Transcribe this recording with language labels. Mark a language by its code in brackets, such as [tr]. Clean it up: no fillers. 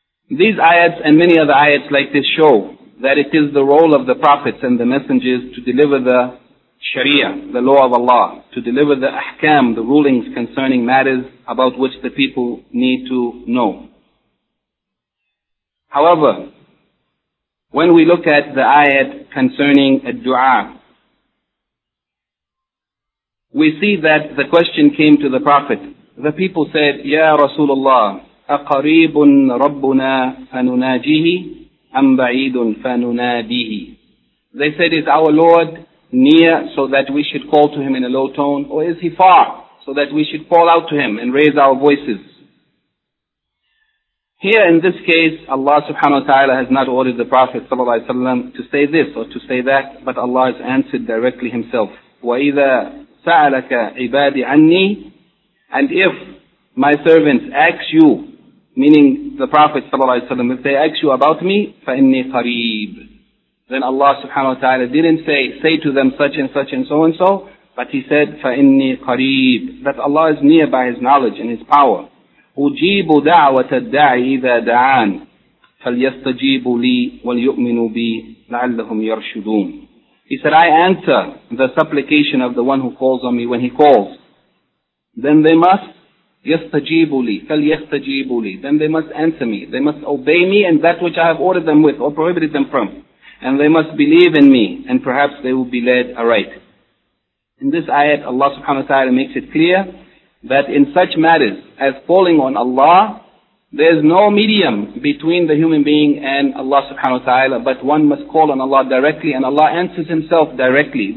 [en] These ayats and many other ayats like this show that it is the role of the prophets and the messengers to deliver the sharia, the law of Allah, to deliver the ahkam, the rulings concerning matters about which the people need to know. However, when we look at the ayat concerning a dua, We see that the question came to the Prophet. The people said, [ar] Ya Rasulullah, أَقَرِيبٌ رَبُّنَا فَنُنَاجِهِ أَمْ بَعِيدٌ فَنُنَادِهِ. [en] They said, is our Lord near so that we should call to him in a low tone? Or is he far so that we should call out to him and raise our voices? Here in this case, Allah subhanahu wa ta'ala has not ordered the Prophet sallallahu alayhi wa sallam to say this or to say that, but Allah has answered directly himself. [ar] وَإِذَا سَعَلَكَ عِبَادِ عَنِّي. [en] And if my servants ask you, meaning the Prophet sallallahu alayhi wa sallam, if they ask you about me, [ar] فَإِنِّي قَرِيبٌ. [en] Then Allah subhanahu wa ta'ala didn't say to them such and such and so and so, but he said, [ar] فَإِنِّي قَرِيبٌ, [en] that Allah is near by his knowledge and his power. [ar] أُجِيبُ دَعْوَةَ الدَّعِ إِذَا دَعَانْ فَلْيَسْتَجِيبُ لِي وَلْيُؤْمِنُوا بِي لَعَلَّهُمْ يَرْشُدُونَ. [en] He said, I answer the supplication of the one who calls on me when he calls. Then they must, [ar] يَسْتَجِيبُ لِي, فَلْيَسْتَجِيبُ لِي. [en] Then they must answer me. They must obey me and that which I have ordered them with or prohibited them from. And they must believe in me and perhaps they will be led aright. In this ayat, Allah subhanahu wa ta'ala makes it clear that in such matters as calling on Allah, there is no medium between the human being and Allah subhanahu wa ta'ala, but one must call on Allah directly and Allah answers himself directly.